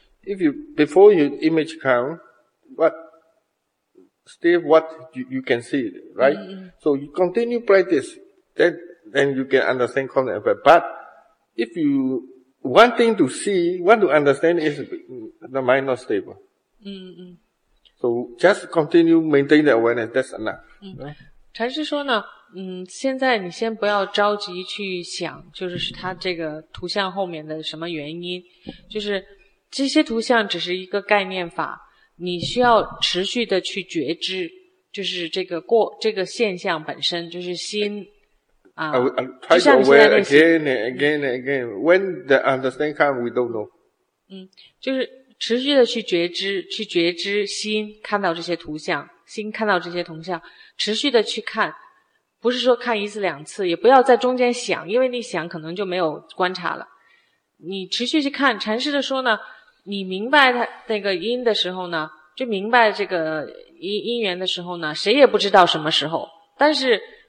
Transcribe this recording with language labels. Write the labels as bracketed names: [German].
[English] If you, before you image come, but still what you can see, right?、 Mm-hmm. So you continue practice, then you can understand concept effect. But if you, one thing to see, one to understand is the mind not stable.、 Mm-hmm. So just continue maintain the awareness, that's enough.、 Mm-hmm. Right? [Chinese] 禅师说呢嗯，现在你先不要着急去想，就是它这个图像后面的什么原因，就是这些图像只是一个概念法，你需要持续的去觉知，就是这个现象本身，就是心啊。 [English] Try to aware again and again and again. When the understanding comes, we don't know. [Chinese] 嗯，就是持续的去觉知心，看到这些图像，心看到这些图像，持续的去看。不是说看一次两次，也不要在中间想，因为你想可能就没有观察了。你持续去看，禅师的说呢，你明白他那个因的时候呢，就明白这个因缘的时候呢，谁也不知道什么时候。但是